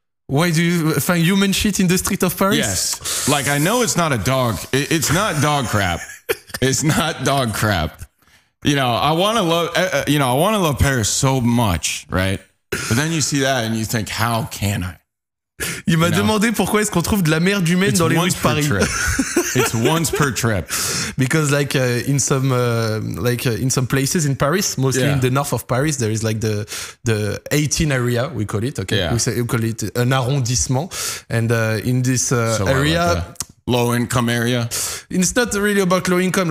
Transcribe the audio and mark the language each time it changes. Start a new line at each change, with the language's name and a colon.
English: Why do you find human shit in the street of Paris? Yes. Like, I know it's not a dog. It's not dog crap. It's not dog crap. You know, I want to love, I want to love Paris so much, right? But then you see that and you think, how can I?
French: Il m'a demandé pourquoi est-ce qu'on trouve de la merde humaine dans les rues de Paris.
English: It's once per trip. Because like in some places in Paris, mostly in the north of Paris, there is like the 18 area, we call it, okay? Yeah. We call it an arrondissement. And in this area... Low-income area? It's not really about low-income.